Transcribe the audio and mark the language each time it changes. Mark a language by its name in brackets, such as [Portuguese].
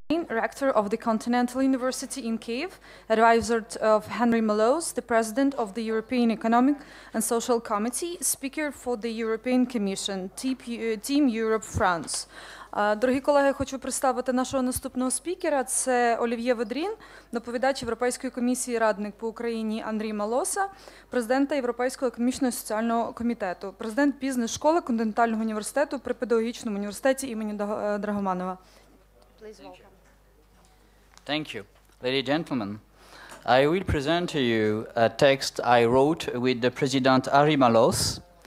[English] rector of the Continental University in Kiev, advisor of Henri Malosse, the president of the European Economic and Social Committee, speaker for the European Commission, Team Europe France. [Ukrainian] Дорогі колеги, хочу представити нашого наступного спікера. Це Олів'є Ведрін, доповідач Європейської комісії, радник по Україні Андрій Малоса, президента Європейського економічного і соціального комітету, президент бізнес-школи Континентального університету при педагогічному університеті імені Драгоманова. [English] Thank you. Ladies and gentlemen, I will present to you a text I wrote with the president Henri Malosse.